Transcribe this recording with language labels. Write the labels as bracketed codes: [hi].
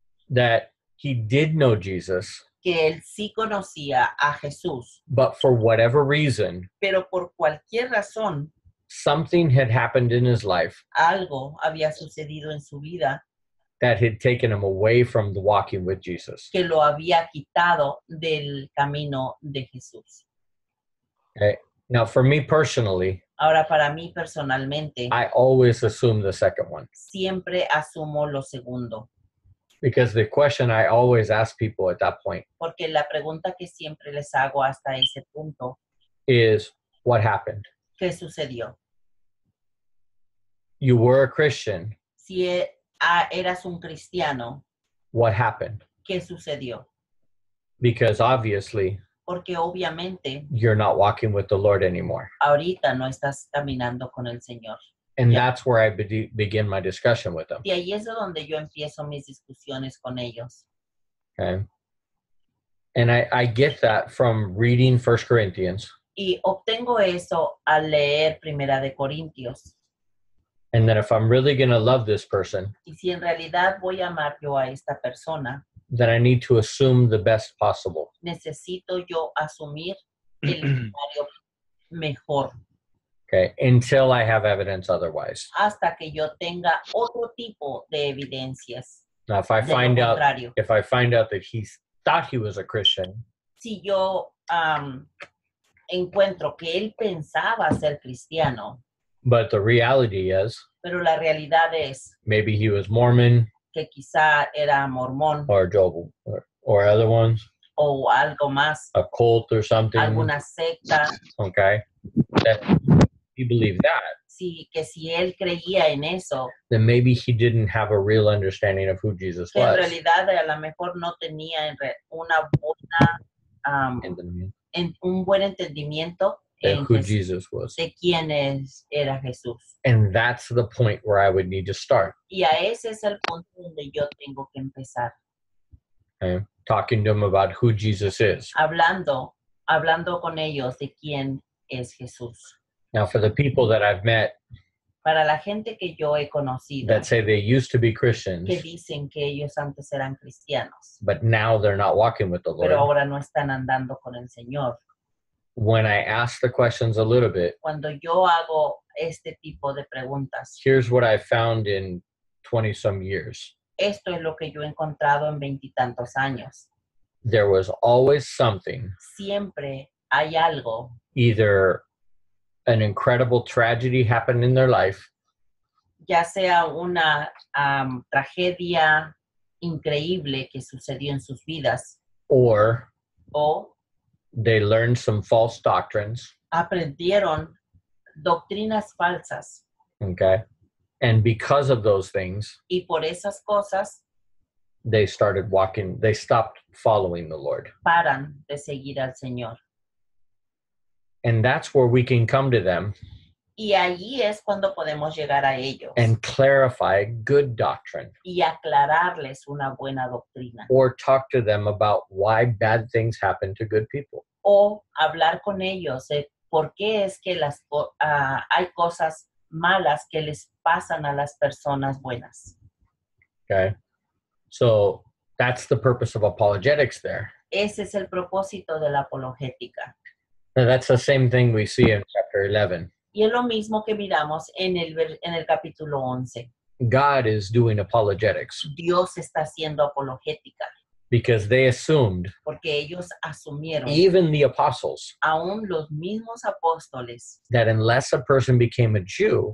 [en] that he did know Jesus, [es] que él sí conocía a Jesús, [en] but for whatever reason, [es] pero por cualquier razón, [en] something had happened in his life. [es] Algo había sucedido en su vida. [en] That had taken him away from the walking with Jesus. [es] Que lo había quitado del camino de Jesús. [en] Okay. Now, for me personally, [es] ahora, para mí personalmente, [en] I always assume the second one. [es] Siempre asumo lo segundo. [en] Because the question I always ask people at that point, [es] porque la pregunta que siempre les hago hasta ese punto, [en] is, what happened? [es] ¿Qué sucedió? [en] You were a Christian. [es] Si eras un cristiano. [en] What happened? [es] ¿Qué sucedió? [en] Because obviously. [es] Porque obviamente. [en] You're not walking with the Lord anymore. [es] Ahorita no estás caminando con el Señor. [en] And yeah. That's where I begin my discussion with them. [es] Y ahí es donde yo empiezo mis discusiones con ellos. [en] Okay. And I get that from reading 1 Corinthians. [es] y obtengo eso al leer Primera de Corintios. [en] And then if I'm really going to love this person, [es] y si en realidad voy a amar yo a esta persona, [en] then I need to assume the best possible. [es] Necesito yo asumir el escenario mejor. [en] Okay, until I have evidence otherwise. [es] Hasta que yo tenga otro tipo de evidencias. [en] Now, if I find out, if I find out that he thought he was a Christian, [es] si yo encuentro que él pensaba ser cristiano, [en] but the reality is, [es] pero la realidad es, [en] maybe he was Mormon, [es] que quizá era mormón, [en] or Jehovah, or other ones, [es] o algo más, [en] a cult or something, [es] alguna secta, [en] okay, that he believed that. [es] Si, que si él creía en eso, [en] then maybe he didn't have a real understanding of who Jesus was. [es] En realidad, a lo mejor no tenía una buena, un buen entendimiento [en] de who Jesus was. [es] De quién es, era Jesús. [en] And that's the point where I would need to start. [es] Y a ese es el punto donde yo tengo que empezar. [en] Okay. Talking to them about who Jesus is. [es] Hablando con ellos de quién es Jesús. [en] Now, for the people that I've met, [es] para la gente que yo he conocido, [en] that say they used to be Christians, [es] que dicen que ellos antes eran cristianos, [en] but now they're not walking with the Lord, [es] pero ahora no están andando con el Señor. [en] When I ask the questions a little bit, [es] cuando yo hago este tipo de preguntas, [en] here's what I found in 20 some years. [es] Esto es lo que yo he encontrado en 20 tantos años. [en] There was always something. [es] Siempre hay algo. [en] Either an incredible tragedy happened in their life. [es] Ya sea una tragedia increíble que sucedió en sus vidas. [en] Or they learned some false doctrines. [es] Aprendieron doctrinas falsas. [en] Okay. And because of those things, [es] y por esas cosas, [en] they started walking, they stopped following the Lord. [es] Paran de seguir al Señor. [en] And that's where we can come to them. [es] Y allí es cuando podemos llegar a ellos. [en] And clarify good doctrine. [es] Y aclararles una buena doctrina. [en] Or talk to them about why bad things happen to good people. [es] O hablar con ellos de por qué es que las hay cosas malas que les pasan a las personas buenas. [en] Okay. So that's the purpose of apologetics there. [es] Ese es el propósito de la apologética. [en] Now that's the same thing we see in chapter 11. [es] Y es lo mismo que miramos en el capítulo 11. [en] God is doing apologetics. [es] Dios está haciendo apologética. [en] Because they assumed. [es] Porque ellos asumieron. [en] Even the apostles. [es] Aún los mismos apóstoles. [en] That unless a person became a Jew.